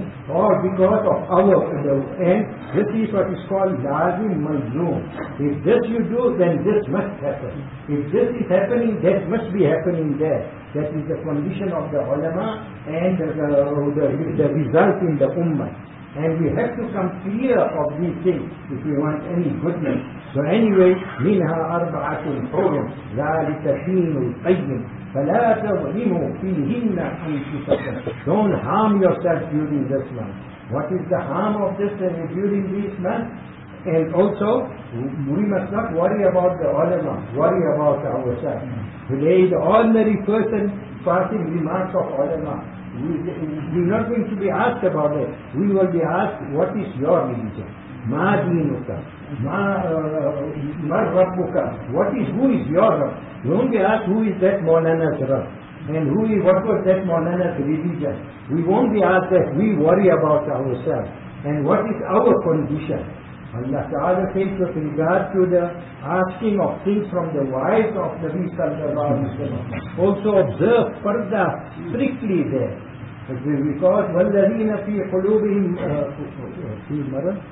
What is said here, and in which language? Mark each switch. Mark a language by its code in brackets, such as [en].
[en] Or because of our, and this is what is called lazim majnoon. If this you do, then this must happen. If this is happening, that must be happening there. That is the condition of the ulama and the result in the ummah. And we have to come clear of these things if we want any goodness. So anyway, [ar] مِنْهَا أَرْبَعَةٌ حُرُمْ ذَلِكَ دِينُ الْقَيِّمُ فَلَا تَظْلِمُوا فِيهِنَّ أَنْفُسَكُمْ. [en] Don't harm yourself during this month. What is the harm of this during this month? And also, we must not worry about the ulama, worry about ourselves. Today, the ordinary person passing remarks of ulama, we are not going to be asked about it. We will be asked, what is your religion? [ar] Ma deenuka, ma rabbuka, [en] who is your Rabb? You won't be asked, who is that Maulana's Rabb? And what was that Maulana's religion? We won't be asked that. We worry about ourselves. And what is our condition? Allah Ta'ala says, with regard to the asking of things from the wife of the Nabi sallallahu alayhi wa sallam, also observe parda strictly there. Because [ar] وَالَّذِينَ فِي قُلُوبِهِمْ فِي مَرَضٍ